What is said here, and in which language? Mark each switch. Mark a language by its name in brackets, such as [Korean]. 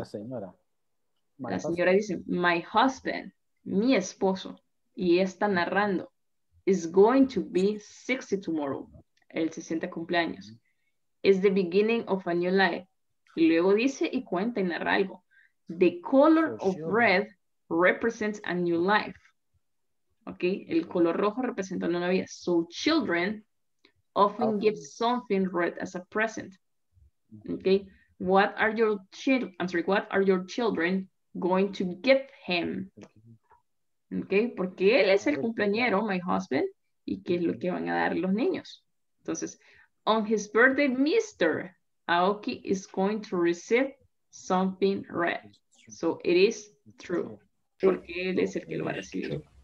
[Spanish] La señora. My la señora husband. Dice, [English] my husband, [Spanish] mi esposo, y está narrando, [English] is going to be 60 tomorrow, [Spanish] el 60 cumpleaños. Mm-hmm. [English] It's the beginning of a new life. [Spanish] Y luego dice y cuenta y narra algo. [English] The color of red represents a new life. [Spanish] Okay, el color rojo representa una nueva vida. [English] So children often give something red as a present. Okay, what are your children? I'm sorry, what are your children going to get him? [Spanish] Okay, porque él es el cumpleañero, [English] my husband, [Spanish] y qué es lo que van a dar los niños. [English] Entonces, on his birthday, Mr. Aoki is going to receive something red. So it is true, [Spanish] porque él es el que lo va a recibir.